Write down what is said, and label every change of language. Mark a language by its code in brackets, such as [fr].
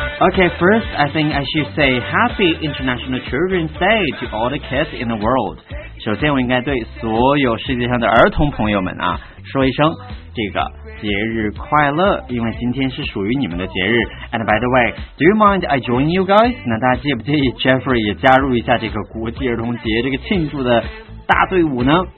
[en] Okay, first, I think I should say Happy International Children's Day to all the kids in the world. [zh] 首先，我应该对所有世界上的儿童朋友们啊说一声这个节日快乐，因为今天是属于你们的节日。 [en] And by the way, do you mind I join you guys? [zh] 那大家介不介意 Jeffrey 也加入一下这个国际儿童节这个庆祝的大队伍呢？